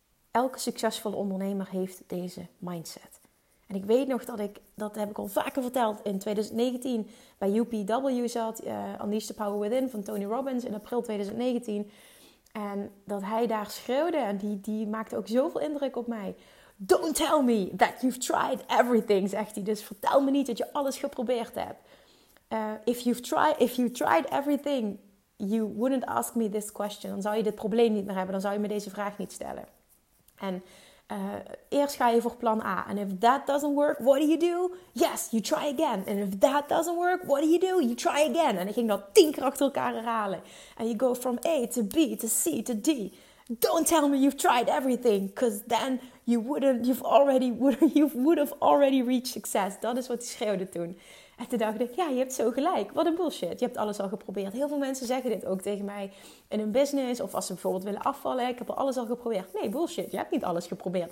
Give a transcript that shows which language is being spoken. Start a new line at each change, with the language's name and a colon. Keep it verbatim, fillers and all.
Dutch: Elke succesvolle ondernemer heeft deze mindset. En ik weet nog dat ik, dat heb ik al vaker verteld, in twintig negentien bij U P W zat, uh, Unleash the Power Within van Tony Robbins in april twintig negentien... En dat hij daar schreeuwde, en die, die maakte ook zoveel indruk op mij.
English: Don't tell me that you've tried everything, zegt hij.
Dutch: Dus vertel me niet dat je alles geprobeerd hebt.
English: Uh, if, you've try, if you tried everything, you wouldn't ask me this question.
Dutch: Dan zou je dit probleem niet meer hebben, dan zou je me deze vraag niet stellen. En uh, eerst ga je voor plan A.
English: And if that doesn't work, what do you do? Yes, you try again. And if that doesn't work, what do you do? You try again.
Dutch: En ik ging dat tien keer achter elkaar herhalen.
English: And you go from A to B to C to D. Don't tell me you've tried everything. Because then you wouldn't, you've already, would, you would have already reached success.
Dutch: Dat is wat hij schreeuwde toen. En toen dacht ik, ja, je hebt zo gelijk. Wat een bullshit. Je hebt alles al geprobeerd. Heel veel mensen zeggen dit ook tegen mij in hun business. Of als ze bijvoorbeeld willen afvallen. Ik heb alles al geprobeerd. Nee, bullshit. Je hebt niet alles geprobeerd.